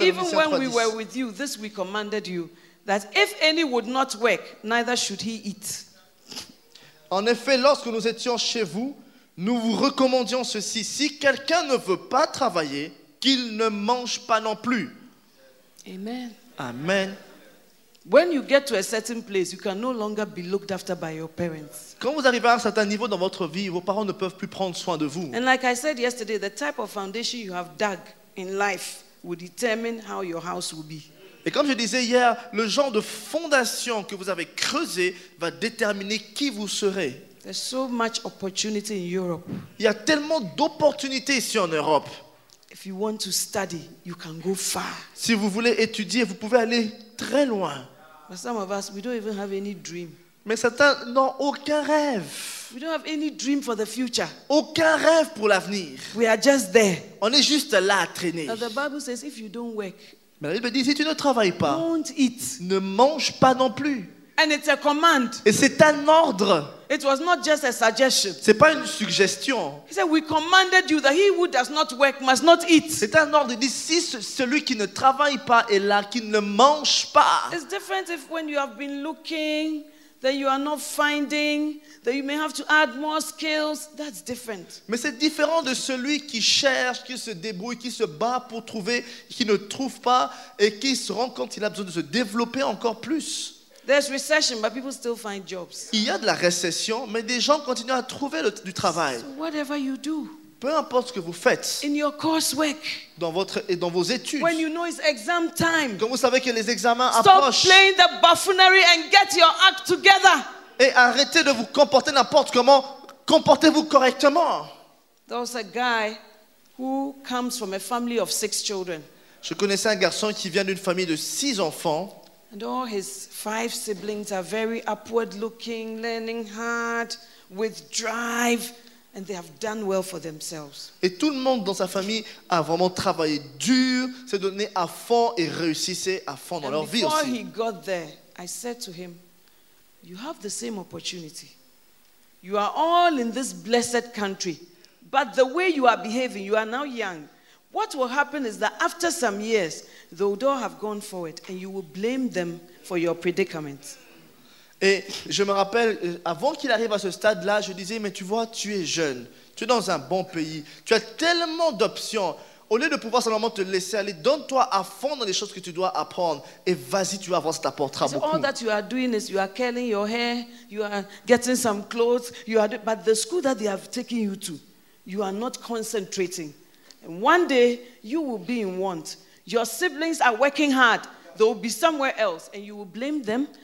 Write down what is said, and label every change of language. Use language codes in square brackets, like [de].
[en] even when we were with you, this we commanded you, that if any would not work, neither should he eat. [fr] En effet, lorsque nous étions chez vous, nous vous recommandions ceci. Si quelqu'un ne veut pas travailler, qu'il ne mange pas non plus. [en] Amen. Amen. When you get to a certain place, you can no longer be looked after by your parents. [fr] Quand vous arrivez à un certain niveau dans votre vie, vos parents ne peuvent plus prendre soin de vous. [en] And like I said yesterday, the type of foundation you have dug in life will determine how your house will be. [fr] Et comme je disais hier, le genre de fondation que vous avez creusé va déterminer qui vous serez. [en] There's so much opportunity in Europe. [fr] Il y a tellement d'opportunités ici en Europe. [en] If you want to study, you can go far. [fr] Si vous voulez étudier, vous pouvez aller très loin. [en] But some of us, we don't even have any dream. [fr] Mais certains n'ont aucun rêve. [en] We don't have any dream for the future. [fr] Aucun rêve pour l'avenir. [en] We are just there. [fr] On est juste là à traîner. [en] Now the Bible says, if you don't work, [fr] mais la Bible dit, si tu ne travailles pas, [en] don't eat. [fr] Ne mange pas non plus. [en] And it's a command. [fr] Et c'est un ordre. [en] It was not just a suggestion. [fr] C'est pas une suggestion. [en] He said, "We commanded you that he who does not work must not eat." [fr] C'est un ordre. Il dit, si celui qui ne travaille pas est là, qu'il ne mange pas. [en] It's different if when you have been looking, then you are not finding, then you may have to add more skills. That's different. [fr] Mais c'est différent de celui qui cherche, qui se débrouille, qui se bat pour trouver, qui ne trouve pas et qui se rend compte qu'il a besoin de se développer encore plus. [en] There's recession, but people still find jobs. [fr] Il y a de la récession, mais des gens continuent à trouver du travail. [en] So whatever you do, [fr] peu importe ce que vous faites, [en] in your coursework, [fr] dans vos études, [en] when you know it's exam time, [fr] quand vous savez que les examens [en] stop [fr] approchent, [en] stop playing the buffoonery and get your act together. [fr] Et arrêtez de vous comporter n'importe comment. Comportez-vous correctement. [en] There was a guy who comes from a family of six children. [fr] Je connaissais un garçon qui vient d'une famille de six enfants. [en] And all his five siblings are very upward looking, learning hard, with drive, and they have done well for themselves. [fr] Et tout le monde dans sa famille a vraiment travaillé dur, s'est donné à fond et réussissait à fond dans leur vie aussi. [en] And before he got there, I said to him, you have the same opportunity. You are all in this blessed country, but the way you are behaving, you are now young. What will happen is that after some years, the Odo have gone forward and you will blame them for your predicament. [fr] Et je me rappelle, avant qu'il arrive à ce stade-là, je disais, mais tu vois, tu es jeune, tu es dans un bon pays, tu as tellement d'options. Au lieu de pouvoir simplement te laisser aller, donne-toi à fond dans les choses que tu dois apprendre et vas-y, tu vas voir, ça t'apportera beaucoup. [en] All that you are doing is you are curling your hair, you are getting some clothes, you are doing, but the school that they have taken you to, you are not concentrating. And one day, you will be in want. Your siblings are working hard. They will be somewhere else. And you will blame them.